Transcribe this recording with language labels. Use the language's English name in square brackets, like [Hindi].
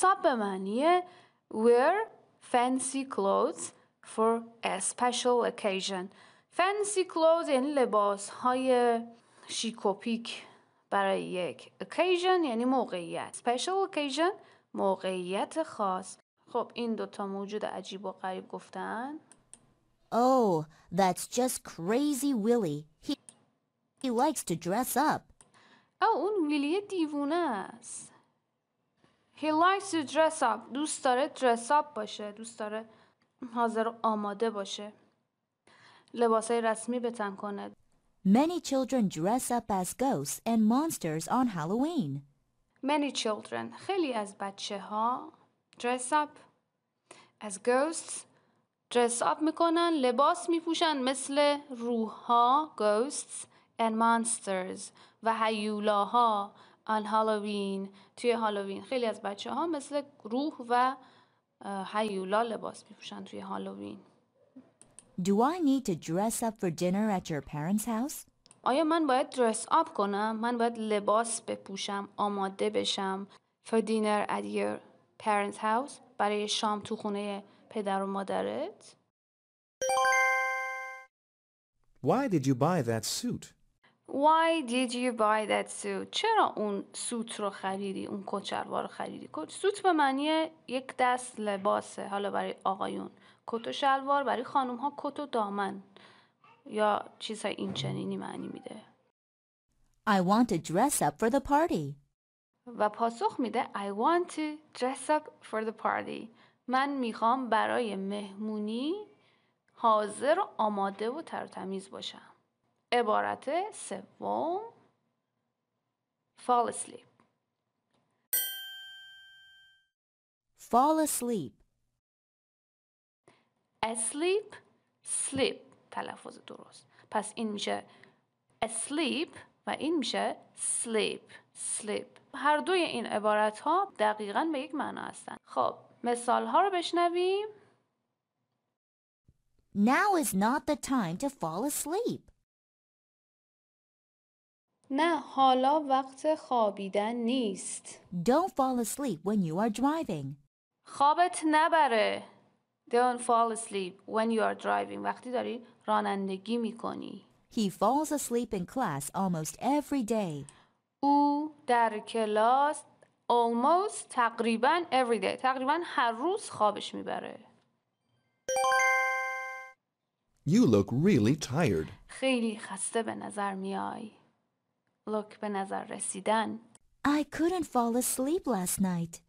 [Persian] به معنی [English] wear fancy clothes for a special occasion. Fancy clothes [Persian] یعنی لباس های شیک و پیک برای یک occasion، یعنی موقعیت. [English] Special occasion [Persian] موقعیت خاص. خب این دوتا موجود عجیب و غریب گفتن. [English] Oh, that's just crazy Willy. He likes to dress up. [Persian] Oh, اون ویلی دیوونه است. [English] He likes to dress up. [Persian] دوست داره [English] dress up [Persian] باشه. دوست داره حاضر آماده باشه. لباسای رسمی به تن کنه. [English] Many children dress up as ghosts and monsters on Halloween. Many children, [Persian] خیلی از بچه ها [English] dress up as ghosts, dress up [Persian] میکنن، لباس میپوشن مثل روح ها, [English] ghosts and monsters [Persian] و هیولاها [English] on Halloween, [Persian] توی هالووین. خیلی از بچه ها مثل روح و هیولا لباس میپوشن توی هالووین. [English] Do I need to dress up for dinner at your parents' house? [Persian] آیا من باید [English] dress up [Persian] کنم؟ من باید لباس بپوشم، آماده بشم [English] for dinner at your parents' house، [Persian] برای شام تو خونه پدر و مادرت؟ [English] Why did you buy that suit? Why did you buy that suit? [Persian] چرا اون سوت رو خریدی؟ اون کچلوار رو خریدی؟ سوت به معنی یک دست لباسه، حالا برای آقایون کت و شلوار، برای خانم ها کت و دامن یا چیزای این چنینی معنی میده. [English] I want to dress up for the party. [Persian] و پاسخ میده [English] I want to dress up for the party. [Persian] من میخوام برای مهمونی حاضر و آماده و تر تمیز باشم. عبارت سوم [English] fall asleep. Fall asleep. Asleep, sleep. [Persian] تلفظ درست. پس این میشه asleep و این میشه sleep. [English] Sleep. [Persian] هر دوی این عبارت ها دقیقاً به یک معنا هستن. خب مثال ها رو بشنویم. [English] Now is not the time to fall asleep. [Persian] نه حالا وقت خوابیدن نیست. [English] Don't fall asleep when you are driving. [Persian] خوابت نبره. [English] Don't fall asleep when you are driving. [Persian] وقتی داری رانندگی میکنی. [English] He falls asleep in class almost every day. [Persian] او در کلاس [English] almost [Persian] تقریبا [English] every day. [Persian] تقریبا هر روز خوابش میبره. [English] You look really tired. [Persian] خیلی خسته به نظر میای. Look به نظر رسیدن. [English] I couldn't fall asleep last night.